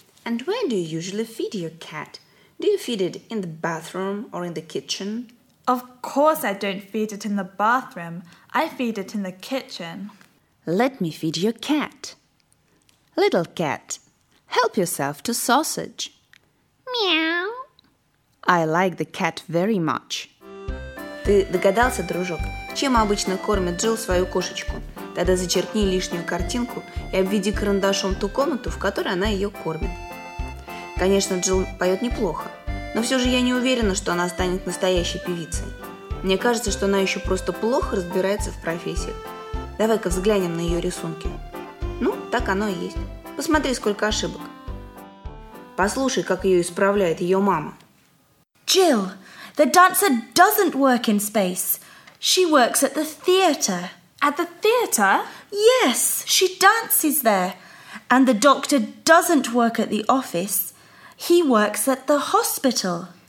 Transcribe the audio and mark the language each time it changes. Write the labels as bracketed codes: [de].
[en] And where do you usually feed your cat? Do you feed it in the bathroom or in the kitchen? Of course I don't feed it in the bathroom. I feed it in the kitchen. Let me feed your cat. Little cat, help yourself to sausage. Meow. I like the cat very much. [ru] Ты догадался, дружок, чем обычно кормит Джилл свою кошечку? Тогда зачеркни лишнюю картинку и обведи карандашом ту комнату, в которой она ее кормит. Конечно, Джилл поет неплохо, но все же я не уверена, что она станет настоящей певицей. Мне кажется, что она еще просто плохо разбирается в профессиях. Давай-ка взглянем на ее рисунки. Ну, так оно и есть. Посмотри, сколько ошибок. Послушай, как ее исправляет ее мама. [en] Джилл, the dancer doesn't work in space. She works at the theater. At the theater? Yes, she dances there. And the doctor doesn't work at the office. He works at the hospital.